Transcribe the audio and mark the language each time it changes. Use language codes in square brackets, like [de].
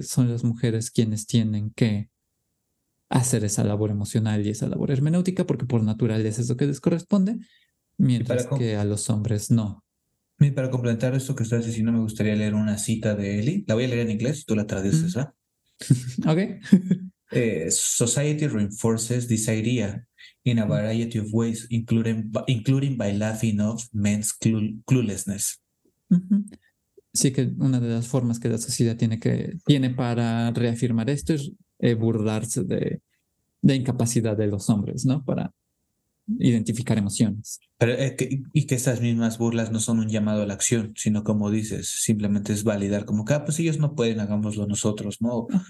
[es] Que son las mujeres quienes tienen que hacer esa labor emocional y esa labor hermenéutica, porque por naturaleza es lo que les corresponde, Y mientras que a los hombres no. para complementar esto que estás diciendo, me gustaría leer una cita de Eli. La voy a leer en inglés y tú la traduces, ¿verdad? [en] Society reinforces this idea in a variety of ways, including by laughing off men's cluelessness. [es] Sí, que una de las formas que la sociedad tiene para reafirmar esto es burlarse de la incapacidad de los hombres, ¿no? Para identificar emociones. Pero, y que estas mismas burlas no son un llamado a la acción, sino como dices, simplemente es validar como que, ah, pues ellos no pueden, hagámoslo nosotros, ¿no?